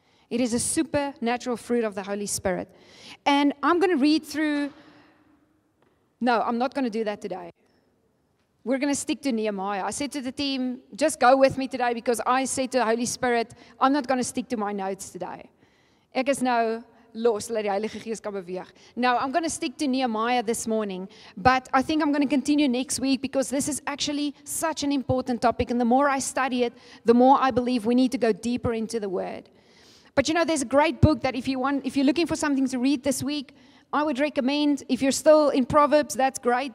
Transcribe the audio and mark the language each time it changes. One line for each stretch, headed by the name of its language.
English: It is a supernatural fruit of the Holy Spirit. And I'm going to read through. No, I'm not going to do that today. We're going to stick to Nehemiah. I said to the team, just go with me today because I said to the Holy Spirit, I'm not going to stick to my notes today.
Afrikaans: Ek is nou los, laat die Heilige Gees kan beweeg.
English: No, I'm going to stick to Nehemiah this morning. But I think I'm going to continue next week because this is actually such an important topic. And the more I study it, the more I believe we need to go deeper into the Word. But you know, there's a great book that if you're looking for something to read this week, I would recommend, if you're still in Proverbs, that's great.